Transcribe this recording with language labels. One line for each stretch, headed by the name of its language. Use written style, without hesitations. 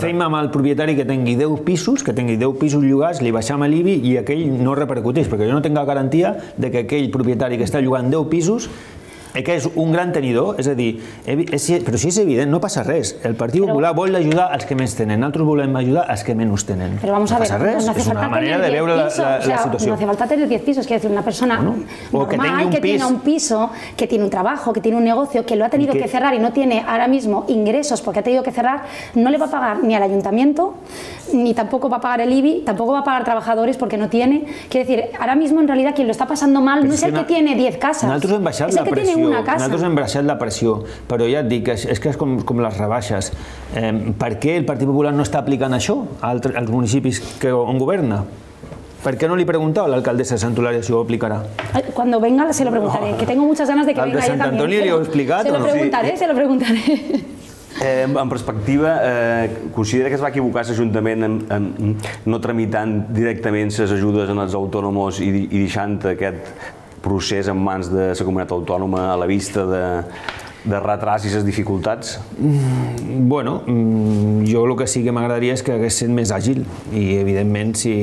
Catalan: Que fem amb el propietari que tingui 10 pisos, que tingui 10 pisos llogats, li baixem a l'IBI i aquell no repercuteix, perquè jo no tinc la garantia de que aquell propietari que està llogant 10 pisos que és un gran tenidor, és a dir, però si és evident, no passa res. El Partit Popular vol ajudar els que més tenen, nosaltres volem ajudar els que menys tenen.
Spanish: Però vamos a ver, no hace falta tener 10 pisos, no hace falta tener 10 pisos, quiero decir, una persona normal que tiene un piso, que tiene un trabajo, que tiene un negocio, que lo ha tenido que cerrar y no tiene ahora mismo ingresos porque ha tenido que cerrar, no le va a pagar ni al ayuntamiento, ni tampoco va a pagar el IBI, tampoco va a pagar trabajadores porque no tiene. Quiero decir, ahora mismo en realidad quien lo está pasando mal no es el que tiene 10 casas, es el que tiene un piso.
Catalan: Nosaltres hem baixat la pressió, però ja et dic, és que és com les rebaixes. Per què el Partit Popular no està aplicant això als municipis on governa?
Spanish: ¿Por qué no le he preguntado a la alcaldesa de Sant Hilari si lo aplicará? Cuando venga se lo preguntaré, que tengo muchas ganas de que venga.
Catalan: De Sant Antoni li ho he explicat,
Spanish: se lo preguntaré, se lo preguntaré.
Catalan: En perspectiva, considera que es va equivocar l'Ajuntament en no tramitant directament les ajudes en els autònoms i deixant aquest procés en mans de la comunitat autònoma a la vista de retras i les dificultats? Bueno, jo el que sí que m'agradaria és que hagués sent més àgil i, evidentment, si...